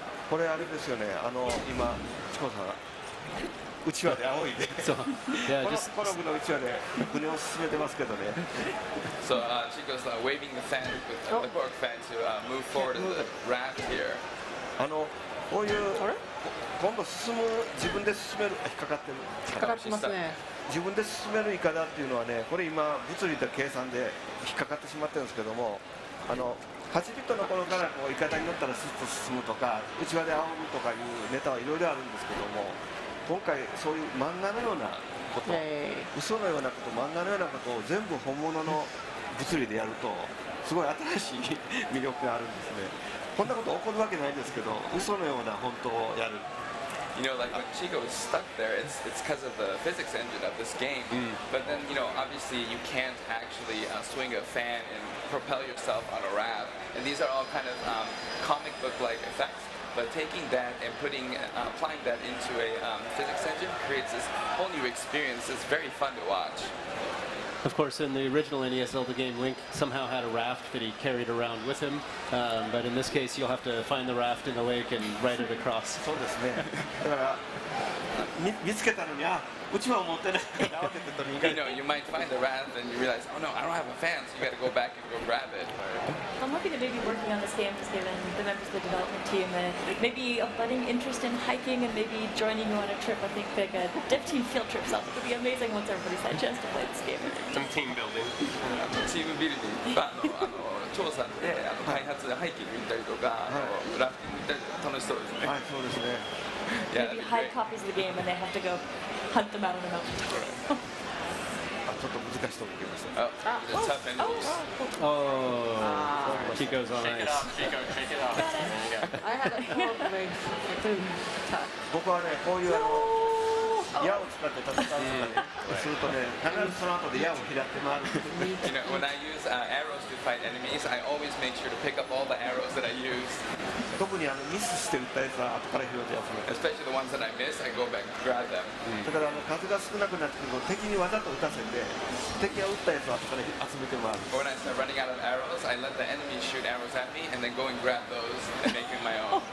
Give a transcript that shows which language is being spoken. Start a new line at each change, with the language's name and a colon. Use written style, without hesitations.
Japanese: これあれですよね、今チコさんうちわで仰いでそう、
English: yeah, just...
Japanese: このコログのうちわで船を進めてますけどね。
English: So, Chico's waving the fan with the cork fan to move forward in the raft here.
Japanese: こういう今度進む、自分で進める、引っかかってる、引っかかってますね。自分で進めるイカダっていうのはね、これ今物理で計算で引っかかってしまってるんですけども、8ビットの頃からこうイカダに乗ったらスッと進むとか、内輪で仰ぐとかいうネタはいろいろあるんですけども、今回そういう漫画のようなこと、嘘のようなこと、漫画のようなことを全部本物の物理でやると、すごい新しい魅力があるんですね。こんなこと起こるわけないですけど、嘘のような本当をやる。
English: You know, like when Chico is stuck there, it's because of the physics engine of this game. Mm. But then, you know, obviously you can't actually swing a fan and propel yourself on a raft. And these are all kind of comic book-like effects. But taking that and putting, applying that into a physics engine creates this whole new experience. It's very fun to watch. Of course, in the original NES Zelda game, Link somehow had a raft that he carried around with him. But in this case, you'll have to find the raft in the lake and ride it across.
Japanese: そうですね。だから、見つけたのに、あ、うちは持ってない。
English: You know, you might find the raft and you realize, oh no, I don't have a fan, so you got to go back and go grab it. I'm lucky to maybe working on this game, just given the members of the development team, and maybe a budding interest in hiking and maybe joining you on a trip. I think like a dev team field trip sounds like it would be amazing once everybody's had a chance to play this game. Some team building. Team building.
Japanese: チョーさんで開発でハイキング行ったりとか、ラフティング行ったりとか、楽しそうですね。はい、そうですね。
English: Maybe high copies of the game and they have to go hunt them out on the mountain.
Japanese: ちょっと難しそうに来ました。
English: Oh, tough endings. Oh, Chico's on ice. Shake it off, shake it off. I had a problem.
Japanese: 僕はね、こういう矢を使って戦うので、するとね、必ずその後で矢を拾って回る。
English: You know, when I use arrows to fight enemies, I always make sure to pick up all the arrows that I use.
Japanese: 特にミスして撃ったやつは後から拾ってやつ。
English: Especially the ones that I miss, I go back and grab them.
Japanese: だから数が少なくなってくると、敵にわざと撃たせて、敵が撃ったやつは後から集めて回る。
English: When I start running out of arrows, I let the enemy shoot arrows at me, and then go and grab those and make my own.